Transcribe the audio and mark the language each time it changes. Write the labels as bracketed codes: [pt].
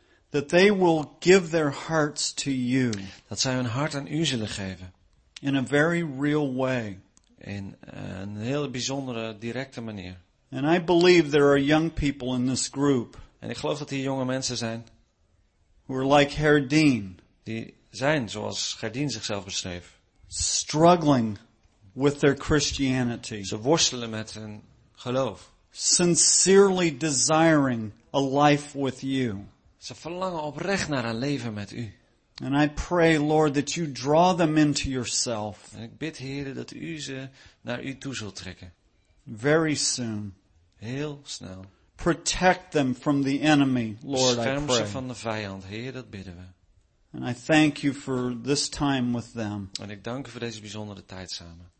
[en] That they will give their hearts to you. [nl] Dat zij hun hart aan u zullen geven. [en] In a very real way. [nl] In een heel bijzondere, directe manier. [en] And I believe there are young people in this group. [nl] En ik geloof dat hier jonge mensen zijn. [en] Who are like Herr Dean. [nl] Die zijn zoals Herr Dean zichzelf beschreef. [en] Struggling with their Christianity. [nl] Ze worstelen met hun geloof. [en] Sincerely desiring a life with you. [nl] Ze verlangen oprecht naar een leven met u. [en] And I pray, Lord, that you draw them into yourself. [nl] En ik bid, Heere, dat u ze naar u toe zult trekken. [en] Very soon. [nl] Heel snel. [en] Protect them from the enemy, Lord, [nl] bescherm [en] I pray. [nl] Ze van de vijand, Heer, dat bidden we. [en] And I thank you for this time with them. [nl] En ik dank u voor deze bijzondere tijd samen.